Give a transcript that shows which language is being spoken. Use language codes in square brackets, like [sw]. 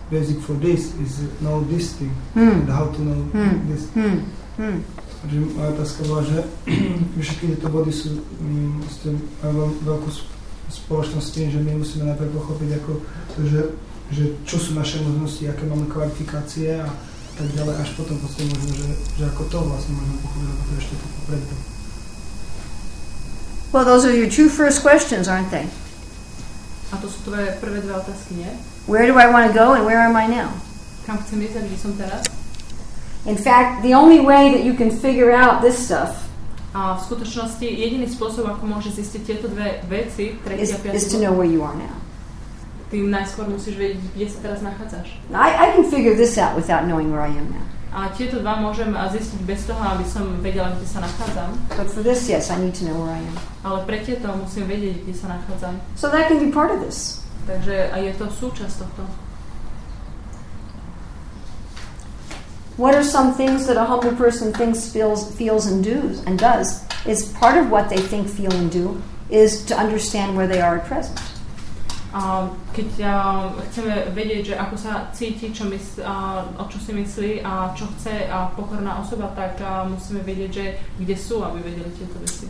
[en] basic for this is know this thing and how to know this. [sk] Takže moja otázka byla, že všetky tieto body sú s tým veľkou spoločnosti, že my musíme najprv pochopiť ako to, že čo sú naše možnosti, aké máme kvalifikácie a tak ďalej, až potom potom možno, že ako to vlastne možno pochopiť, ako to ešte to popredu. [en] Well, those are your two first questions, aren't they? [sk] A to sú tvoje prvé dve otázky, nie? [en] Where do I want to go and where am I now? [sk] Kam chcem ísť a kde som teraz? [en] In fact, the only way that you can figure out this stuff [sk] a v skutočnosti jediný spôsob, ako môžeš zistiť tieto dve veci, tretí a piatý, [en] is to know where you are now. [sk] Ty najskôr musíš vedieť, kde sa teraz nachádzaš. [en] I can figure this out without knowing where I am now. [sk] A tieto dva môžem zistiť bez toho, aby som vedela, kde sa nachádzam. [en] But for this, yes, I need to know where I am. [sk] Ale pre tieto musím vedieť, kde sa nachádzam. [en] So that can be part of this. [sk] Takže a je to súčasť tohto. [en] What are some things that a humble person thinks, feels and does? And does is part of what they think, feel and do is to understand where they are at present. [sk] Keď chceme vedieť, že ako sa cíti, čo o čo si myslí a čo chce a pokorná osoba, tak musíme vedieť, že kde sú, aby vedeli tieto veci.